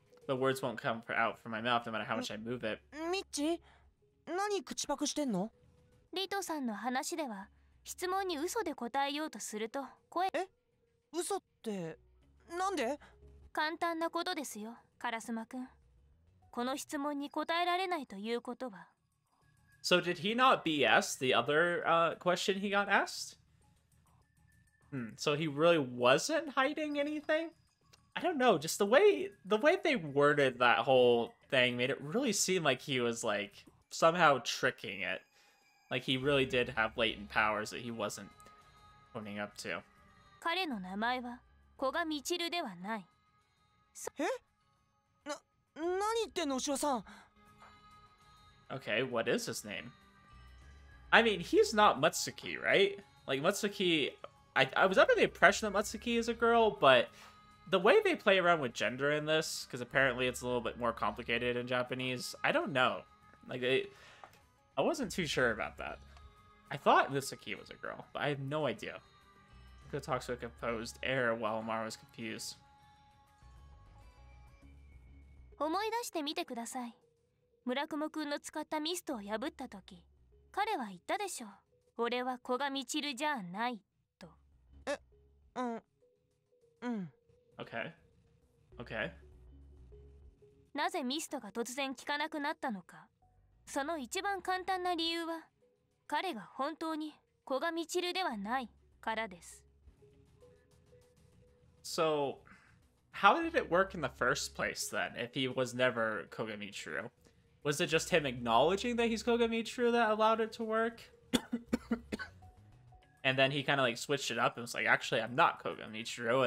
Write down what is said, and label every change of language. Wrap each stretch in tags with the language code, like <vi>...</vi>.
<en>The words won't come out from my mouth no matter how much I move it.</en> <ja>ミッチ、何口パクしてんの？リトさんの話では、質問に嘘で答えようとすると声。え？嘘ってなんで？簡単なことですよ、カラスマ君。この質問に答えられないということは。</ja> <en>So did he not BS the other question he got asked? So he really wasn't hiding anything? I don't know, just the way they worded that whole thing made it really seem like he was like somehow tricking it. Like he really did have latent powers that he wasn't owning up to.</en> <ja>彼の名前は古賀みちるではない。え？な、何言ってんの、牛尾さん？</ja> <en>Okay, what is his name? I mean, he's not Matsuki, right? Like, Matsuki... I was under the impression that Matsuki is a girl, but... The way they play around with gender in this, because apparently it's a little bit more complicated in Japanese, I don't know. Like, I wasn't too sure about that. I thought Matsuki was a girl, but I have no idea. Koga talks with a composed air while Mara was confused.</en> <ja>思い出してみてください。村雲君の使ったミストを破った時、彼は言ったでしょう。俺は古賀みちるじゃないと。え、うん、うん。</ja> <en>Okay. Okay.</en> <ja>なぜミストが突然効かなくなったのか。その一番簡単な理由は、彼が本当に古賀みちるではないからです。</ja> <en>So, how did it work in the first place then? If he was never Koga Michiru? Was it just him acknowledging that he's Koga Michiru that allowed it to work? And then he kind of like switched it up and was like, actually, I'm not Koga Michiru.</en>